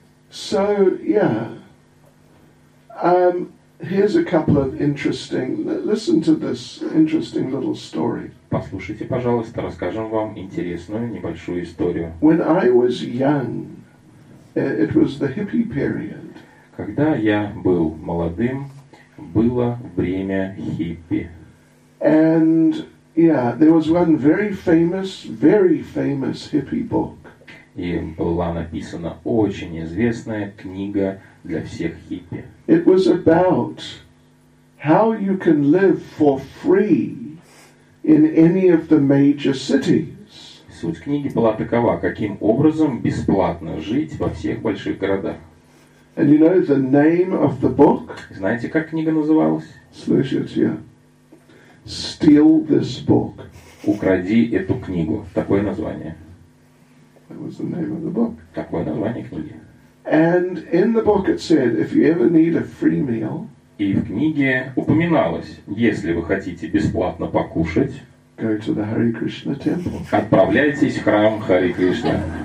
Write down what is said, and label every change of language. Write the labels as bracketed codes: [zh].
[en] So, yeah. Here's a couple of interesting... Listen to this interesting little story. [ru] Послушайте, пожалуйста, расскажем вам интересную небольшую историю. [en] When I was young, it was the hippie period. [ru] Когда я был молодым, было время хиппи. [en] And yeah, there was one very famous hippie book. [ru] И была написана очень известная книга для всех хиппи. [en] It was about how you can live for free in any of the major cities. [ru] Суть книги была такова: каким образом бесплатно жить во всех больших городах. [en] And you know the name of the book? [ru] Знаете, как книга называлась? Слышите, [en] yeah. Steal this book. [ru] Укради эту книгу. Такое название. [en] That was the name of the book. [ru] Такое название книги. [en] And in the book it said, if you ever need a free meal. [ru] И в книге упоминалось, если вы хотите бесплатно покушать, [en] go to the Hare Krishna temple. [ru] Отправляйтесь в храм Хари Кришна.